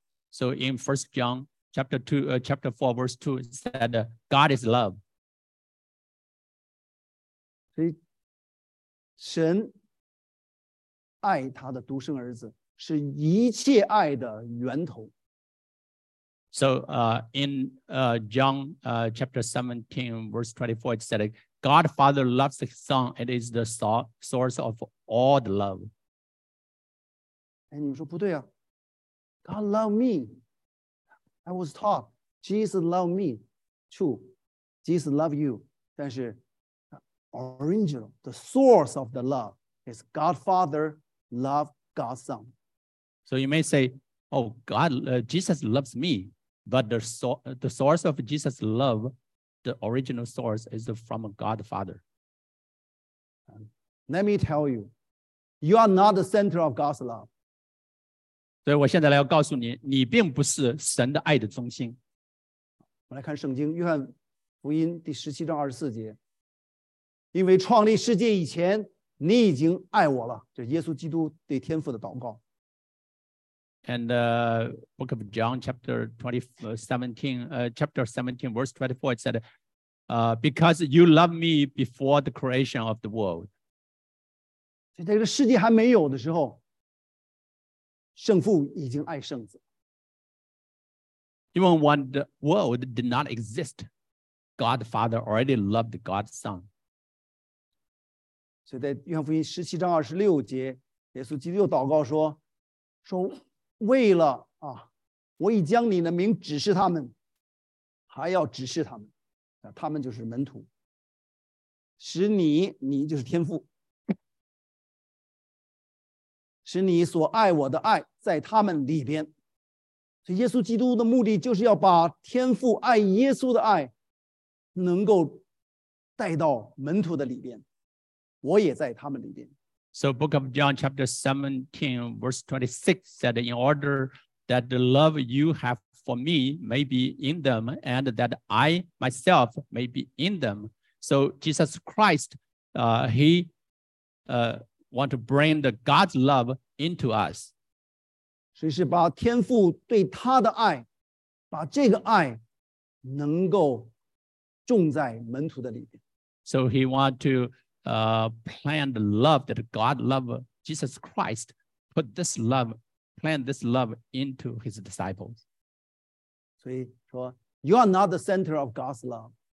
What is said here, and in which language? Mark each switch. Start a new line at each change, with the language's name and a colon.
English: So in 1 John chapter 2, chapter 4, verse 2, it said, God is love.
Chinese: 所以神爱他的独生儿子，是一切爱的源头。
English: So in John chapter 17, verse 24, it said, God Father loves the Son and is the source of all the love.
Chinese: 哎，你们说不对啊。
English: God love me. I was taught. Jesus love me too. Jesus love you.
Chinese: 但是
English: original, the source of the love is God Father love God's Son. So you may say, oh, God, Jesus loves me. But the source of Jesus' love, the original source is from God Father. Let me tell you, you are not the center of God's love.
Chinese: 所以我现在来要告诉你，你并不是神的爱的中心。我们来看圣经，约翰福音第十七章二十四节。因为创立世界以前，你已经爱我了。这是耶稣基督对天父的祷告。
English: And book of John chapter 17, chapter 17, verse 24, it said, because you love me before the creation of the world.
Chinese: 在这个世界还没有的时候，圣父已经爱圣子。
English: Even when the world did not exist, God the Father already loved God's Son.
Chinese: 所以在约翰福音十七章二十六节，耶稣基督又祷告说，说为了啊，我已将你的名指示他们，还要指示他们，啊，他们就是门徒，使你就是天父。使你所爱我的爱在他们里边。所以耶稣基督的目的就是要把天父爱耶稣的爱能够带到门徒的里边，我也在他们里边。
English: So book of John chapter 17 verse 26 said, in order that the love you have for me may be in them and that I myself may be in them. So Jesus Christ, want to bring the God's love into us.
Chinese: 所以是把天父对他的爱，把这个爱能够种在门徒的里面。
English: So he want to plant the love that God love Jesus Christ, put this love, plant this love into his disciples.
Chinese: 所以说
English: you are not the center of God's love.